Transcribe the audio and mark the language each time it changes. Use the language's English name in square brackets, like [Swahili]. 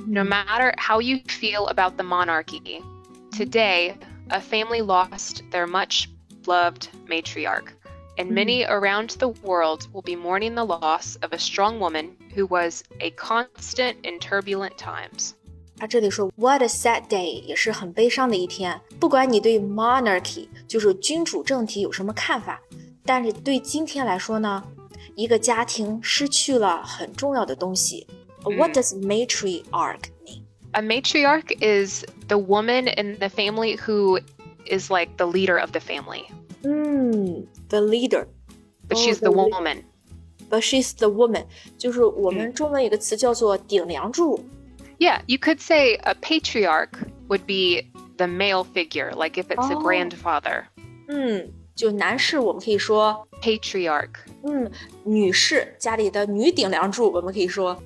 [English] No matter how you feel about the monarchy, today a family lost their much loved matriarch. And many around the world will be mourning the loss of a strong woman who was a constant in turbulent times. [Chinese] 他这里说 [English] What a sad day [Chinese] 也是很悲伤的一天。不管你对 monarchy 就是君主政体有什么看法，但是对今天来说呢，一个家庭失去了很重要的东西。 [English] What does matriarch mean? A matriarch is the woman in the family who is like the leader of the family. The leader. But she's the woman. But she's the woman. [Chinese] 就是我们中文有一个词叫做顶梁柱。 [English] Yeah, you could say a patriarch would be the male figure, like if it's a grandfather. [Chinese] 就男士我们可以说 [English] patriarch. [Chinese] 女士家里的女顶梁柱我们可以说